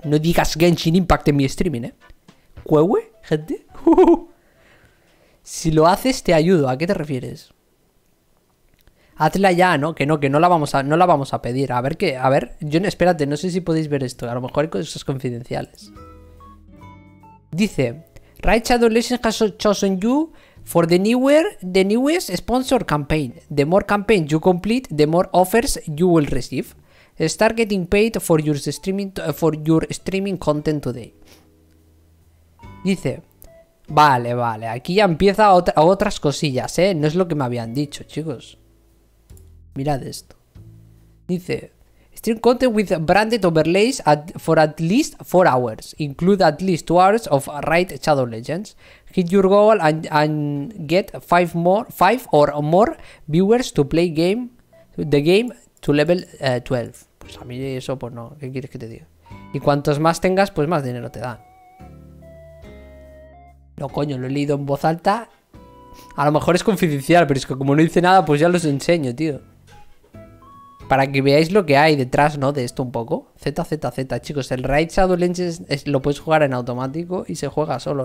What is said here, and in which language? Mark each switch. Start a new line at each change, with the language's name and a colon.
Spanish: No digas Genshin Impact en mi streaming, ¿eh? ¿Cueue, gente? Si lo haces, te ayudo. ¿A qué te refieres? Hazla ya, ¿no? Que no la vamos a... No la vamos a pedir. A ver qué... A ver... Yo, espérate, no sé si podéis ver esto. A lo mejor hay cosas confidenciales.
English: Dice, Raid Shadow Legends has chosen you for the newest sponsor campaign. The more campaigns you complete, the more offers you will receive. Start getting paid for your streaming content today.
Spanish: Dice, Vale. Aquí ya empieza otras cosillas, ¿eh? No es lo que me habían dicho, chicos. Mirad esto. Dice:
English: stream content with branded overlays for at least 4 hours. Include at least 2 hours of Raid Shadow Legends. Hit your goal and get 5 or more viewers to play the game to level 12.
Spanish: Pues a mí eso, pues no. ¿Qué quieres que te diga? Y cuantos más tengas, pues más dinero te dan. No, coño, lo he leído en voz alta. A lo mejor es confidencial, pero es que como no dice nada, pues ya los enseño, tío. Para que veáis lo que hay detrás, ¿no? De esto un poco. ZZZ, chicos, el Raid Shadow Legends lo puedes jugar en automático y se juega solo.